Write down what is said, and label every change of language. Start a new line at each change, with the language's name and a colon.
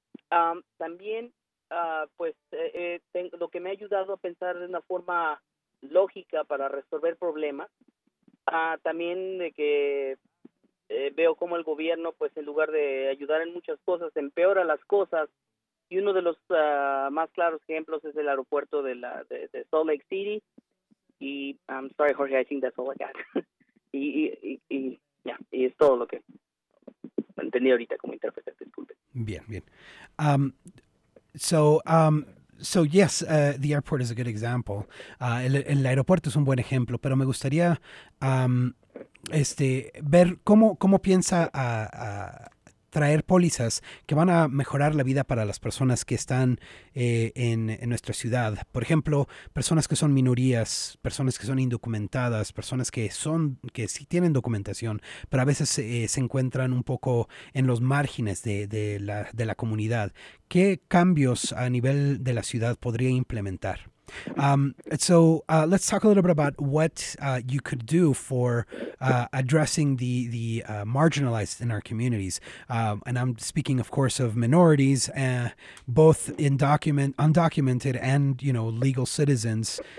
Spanish: Lo que me ha ayudado a pensar de una forma lógica para resolver problemas, también de que veo cómo el gobierno, pues en lugar de ayudar en muchas cosas, empeora las cosas. Y uno de los más claros ejemplos es el aeropuerto de Salt Lake City.
English: Y, I'm sorry, Jorge, I think that's all I got.
Spanish: y es todo lo que entendí ahorita como intérprete, disculpe. Bien.
English: Yes, the airport is a good example.
Spanish: El aeropuerto es un buen ejemplo, pero me gustaría ver cómo piensa traer pólizas que van a mejorar la vida para las personas que están en nuestra ciudad. Por ejemplo, personas que son minorías, personas que son indocumentadas, personas que sí tienen documentación, pero a veces se encuentran un poco en los márgenes de la comunidad. ¿Qué cambios a nivel de la ciudad podría implementar?
English: Let's talk a little bit about what you could do for addressing the marginalized in our communities. And I'm speaking, of course, of minorities, both undocumented and, you know, legal citizens.